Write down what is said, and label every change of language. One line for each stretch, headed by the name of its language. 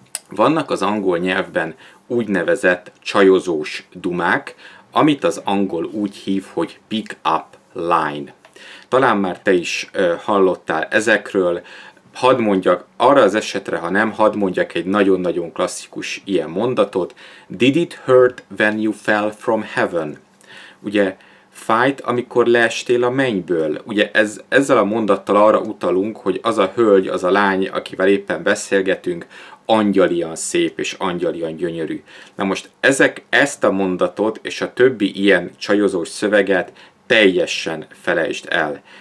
Hungarian: Vannak az angol nyelvben úgynevezett csajozós dumák, amit az angol úgy hív, hogy
English: pick up line.
Hungarian: Talán már te is hallottál ezekről. Hadd mondjak, arra az esetre, ha nem, hadd mondjak egy nagyon-nagyon klasszikus ilyen mondatot.
English: Did it hurt when you fell from heaven?
Hungarian: Ugye, fájt, amikor leestél a mennyből. Ugye ezzel a mondattal arra utalunk, hogy az a hölgy, az a lány, akivel éppen beszélgetünk, angyalian szép és angyalian gyönyörű. Na most ezt a mondatot és a többi ilyen csajozós szöveget teljesen felejtsd el.